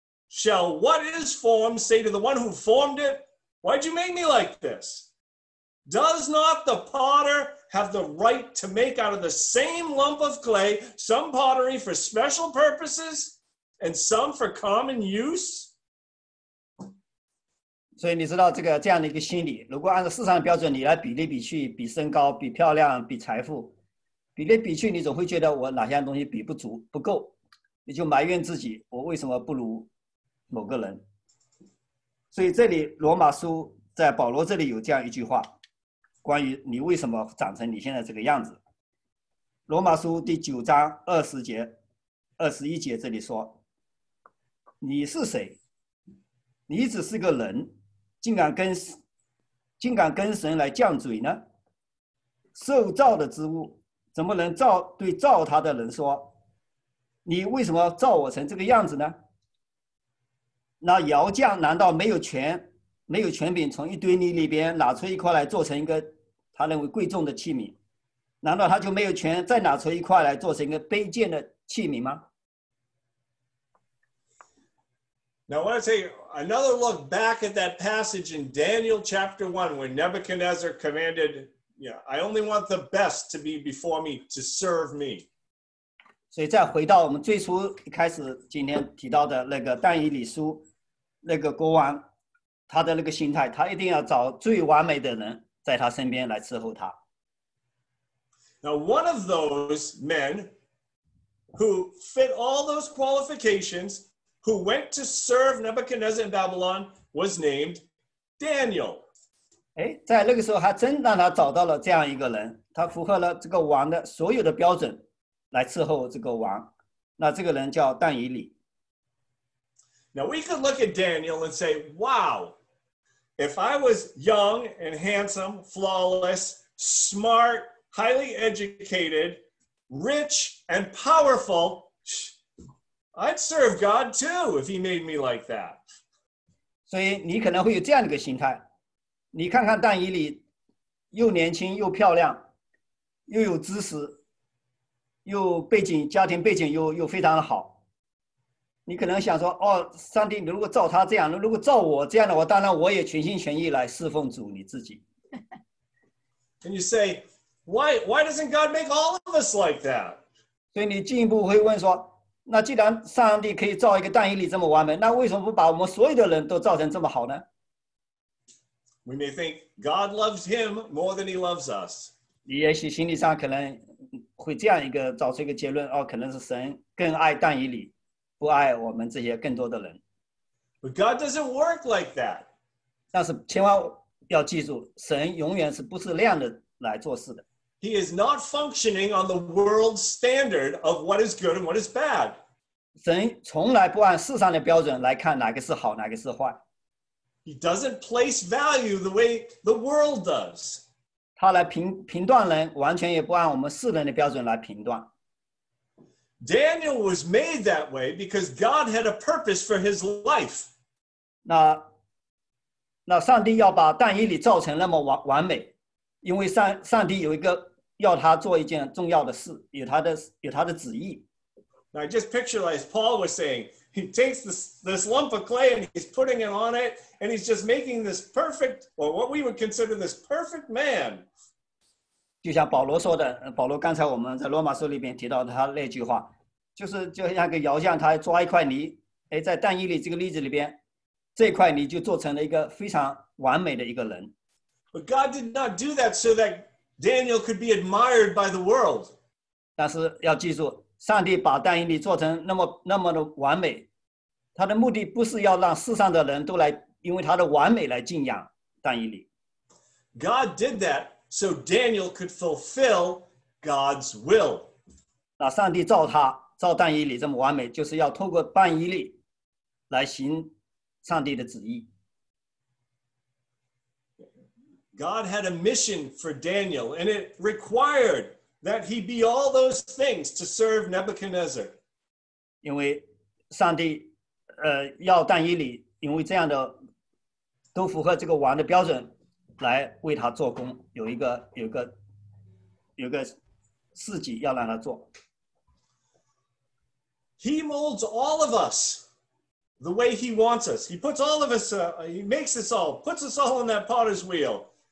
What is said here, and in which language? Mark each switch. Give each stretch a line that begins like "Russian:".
English: Shall what is formed say to the one who formed it, Why'd you make me like this? Does not the potter have the right to make out of the same lump of clay some pottery for special purposes and some for common use?
Chinese: 所以你知道这个这样的一个心理，如果按照市场标准你来比例比去，比身高，比漂亮，比财富，比例比去，你总会觉得我哪项东西比不足，不够，你就埋怨自己，我为什么不如某个人。所以这里罗马书在保罗这里有这样一句话，关于你为什么长成你现在这个样子。罗马书第九章二十节、二十一节这里说，你是谁？你只是个人，竟敢跟神来犟嘴呢？受造的之物，怎么能造对造他的人说，你为什么造我成这个样子呢？那窑匠难道没有权柄从一堆泥里边拿出一块来做成一个他认为贵重的器皿？难道他就没有权再拿出一块来做成一个卑贱的器皿吗？
English: Now, I want to take another look back at that passage in Daniel chapter 1 when Nebuchadnezzar commanded, yeah, I only want the best to be before me, to serve me.
Chinese: 所以再回到我们最初一开始今天提到的那个但以理书那个国王他的那个心态，他一定要找最完美的人在他身边来伺候他。
English: Now, one of those men who fit all those qualificationswho went to serve Nebuchadnezzar in Babylon, was named Daniel.
Chinese: 在那个时候还真让他找到了这样一个人，他符合了这个王的所有的标准来伺候这个王，那这个人叫但以理。
English: Now we could look at Daniel and say, wow, if I was young and handsome, flawless, smart, highly educated, rich and powerful,I'd serve God too if he made me like that.
Chinese: 所以你可能会有这样的一个心态。你看看但以理又年轻又漂亮又有知识又背景家庭背景 又非常的好。你可能想说哦，上帝你如果照他这样如果照我这样的话当然我也全心全意来侍奉主你自己。
English: And you say, why doesn't God make all of us like that?
Chinese: 所以你进一步会问说那既然上帝可以造一个但以理这么完美，那为什么不把我们所有的人都造成这么好呢？
English: We may think God loves him more than he loves us.
Chinese: 你也许心理上可能会这样一个找出一个结论，哦，可能是神更爱但以理，不爱我们这些更多的人。
English: But God doesn't work like that.
Chinese: 但是千万要记住，神永远是不自量的来做事的。
English: He is not functioning on the world's standard of what is good and what is bad.
Chinese: 神从来不按世上的标准来看哪个是好，哪个是坏。
English: He doesn't place value the way the world does.
Chinese: 他来评断人，完全也不按我们世人的标准来评断。
English: Daniel was made that way because God had a purpose for his life.
Chinese: 那上帝要把但以理造成那么完美，因为上帝有一个要他做一件重要的事，有他的旨意。
English: Now I just picture like Paul was saying, he takes this lump of clay and he's putting it on it, and he's just making this perfect, or what we would consider this perfect man.
Chinese: 就像保罗说的，保罗刚才我们在罗马书里面提到他那句话，就是就像个窑匠，他抓一块泥，哎，在但以理这个例子里边。这块你就做成了一个非常完美的一个人。
English: But God did not do that so that Daniel could be admired by the world.
Chinese: 但是要记住，上帝把但以理做成那么的完美，他的目的不是要让世上的人都来因为他的完美来敬仰但以理。
English: God did that so Daniel could fulfill God's will.
Chinese: 那上帝造但以理这么完美，就是要透过但以理来行上帝的旨意。
English: God had a mission for Daniel, and it required that he be all those things to serve Nebuchadnezzar.
Chinese: 因为上帝，要但以理，因为这样的都符合这个王的标准，来为他做工，有一个事迹要让他做。
English: He molds all of us. The way he wants us. He puts all of us, he makes us all, puts us all on that potter's wheel.